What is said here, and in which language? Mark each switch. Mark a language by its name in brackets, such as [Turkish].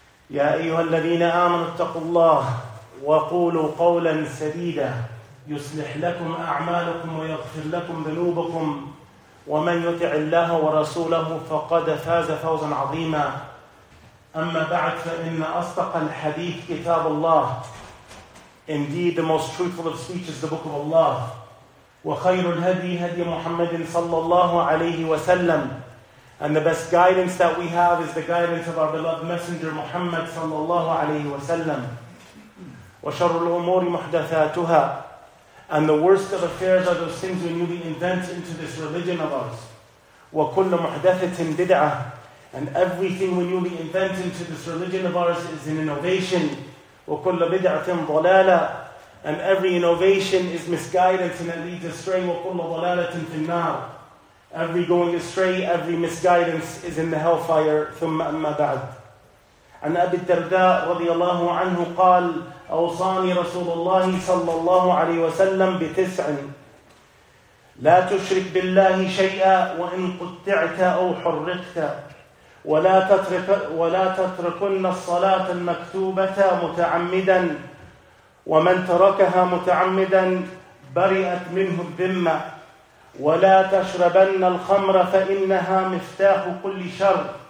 [Arabic] يا أيها الذين آمنوا اتقوا الله وقولوا قولا سديدا يصلح لكم أعمالكم ويغفر لكم ذنوبكم، ومن يطع الله ورسوله فقد فاز فوزا عظيما. أما بعد، فإن أصدق الحديث كتاب الله. [English] Indeed, the most truthful of speech is the book of Allah. [Arabic] وخير الهدي هدي محمد صلى الله عليه وسلم. [English] And the best guidance that we have is the guidance of our beloved messenger Muhammad صلى الله عليه وسلم. [Arabic] وشر الأمور محدثاتها. [English] And the worst of affairs are those things we newly invent into this religion of ours. [Arabic] وكل محدثة بدعة. [English] And everything we newly invent into this religion of ours is an innovation. [Arabic] وكل بدعة ضلالة. [English] And every innovation is misguidance and it leads astray. [Arabic] وَكُلَّ ضَلَالَةٍ فِي النَّارِ. [English] Every going astray, every misguidance is in the hellfire. [Arabic] ثُمَّ أَمَّا بَعْدُ. عن أبي الدرداء رضي الله عنه قال أوصاني رسول الله صلى الله عليه وسلم بتسع: لا تشرك بالله شيئا وإن قطعت أو حرقت، ولا تتركن الصلاة المكتوبة متعمدا، ومن تركها متعمدا برئت منه الذمة، ولا تشربن الخمر فإنها مفتاح كل شر،